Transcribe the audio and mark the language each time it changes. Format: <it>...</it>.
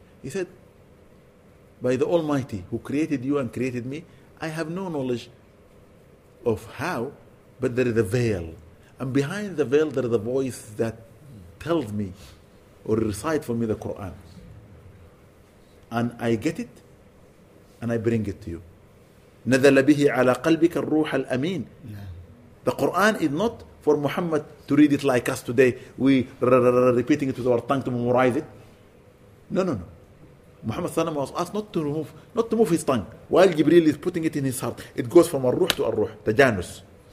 <en>He said, by the Almighty who created you and created me, I have no knowledge of how, but there is a veil. And behind the veil, there is a voice that tells me or recites for me the Quran. And I get it and I bring it to you.</en> <ar>نزل به على قلبك الروح الأمين.</ar> <en>The Quran is not for Muhammad to read it like us today. We repeating it with our tongue to memorize it. No. Muhammad Sallam was asked not to move his tongue while Jibreel is putting it in his heart. It goes from الروح to الروح. تجانس.</en>